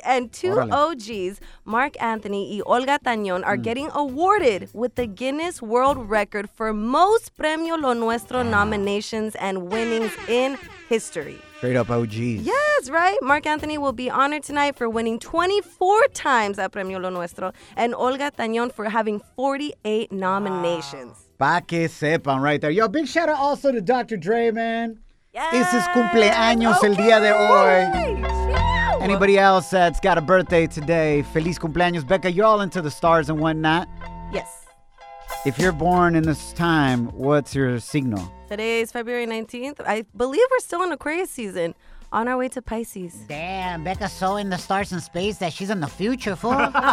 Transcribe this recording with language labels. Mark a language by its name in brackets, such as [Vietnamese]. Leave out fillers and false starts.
[English] And two OGs, Mark Anthony and Olga Tañón, are getting awarded with the Guinness World Record for most Premio Lo Nuestro nominations and winnings in history. Straight up OGs. Yes, right? Mark Anthony will be honored tonight for winning 24 times at Premio Lo Nuestro and Olga Tañón for having 48 nominations. Wow. [Spanish] Pa' que sepan [English] right there. Yo, big shout out also to Dr. Dre, man. Yes. [Spanish] Es cumpleaños el día de hoy. [English] Anybody else that's got a birthday today, [Spanish] feliz cumpleaños. [English] Becca, you're all into the stars and whatnot. Yes. If you're born in this time, what's your signal? Today is February 19th. I believe we're still in Aquarius season. On our way to Pisces. Damn, Becca's so in the stars and space that she's in the future, fool.